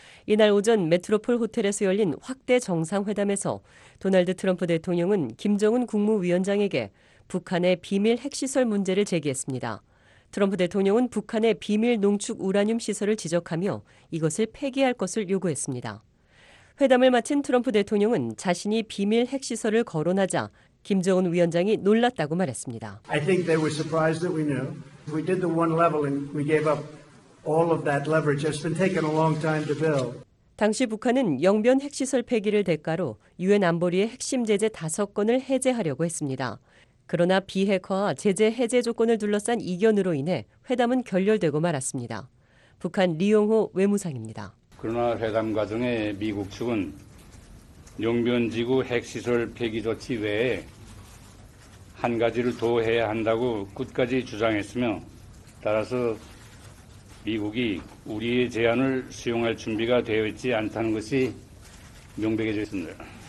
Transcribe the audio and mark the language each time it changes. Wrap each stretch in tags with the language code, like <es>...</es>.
<ko>이날 오전 메트로폴 호텔에서 열린 확대 정상회담에서 도널드 트럼프 대통령은 김정은 국무위원장에게 북한의 비밀 핵시설 문제를 제기했습니다. 트럼프 대통령은 북한의 비밀 농축 우라늄 시설을 지적하며 이것을 폐기할 것을 요구했습니다. 회담을 마친 트럼프 대통령은 자신이 비밀 핵시설을 거론하자 김정은 위원장이 놀랐다고 말했습니다.</ko> <en>I think they were surprised that we knew. We did the one level and we gave up all of that leverage. It's been taking a long time to build.</en> <ko>당시 북한은 영변 핵시설 폐기를 대가로 유엔 안보리의 핵심 제재 5건을 해제하려고 했습니다. 그러나 비핵화와 제재 해제 조건을 둘러싼 이견으로 인해 회담은 결렬되고 말았습니다. 북한 리용호 외무상입니다. 그러나 회담 과정에 미국 측은 용변지구 핵시설 폐기 조치 외에 한 가지를 더 해야 한다고 끝까지 주장했으며 따라서 미국이 우리의 제안을 수용할 준비가 되어 있지 않다는 것이 명백해져 있습니다.</ko>